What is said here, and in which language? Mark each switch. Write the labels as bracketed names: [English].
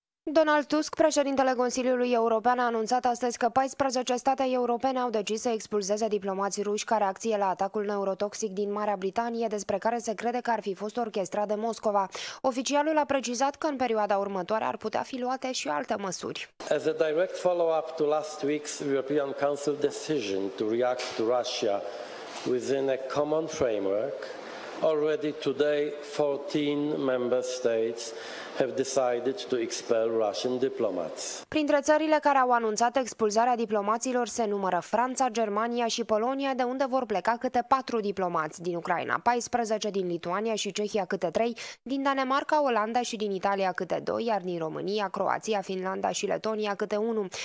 [Romanian] Donald Tusk, președintele Consiliului European, a anunțat astăzi că 14 state europene au decis să expulzeze diplomații ruși care acție la atacul neurotoxic din Marea Britanie, despre care se crede că ar fi fost orchestrat de Moscova. Oficialul a precizat că în perioada următoare ar putea fi luate și alte măsuri. [English] As a direct follow-up to last week's European Council decision to react to Russia within a common framework, already today 14 member states have decided to expel Russian diplomats. [Romanian] Printre țările care au anunțat expulzarea diplomaților se numără Franța, Germania și Polonia, de unde vor pleca câte 4 diplomați, din Ucraina 14, din Lituania și Cehia câte 3, din Danemarca, Olanda și din Italia câte 2, iar din România, Croația, Finlanda și Letonia câte 1.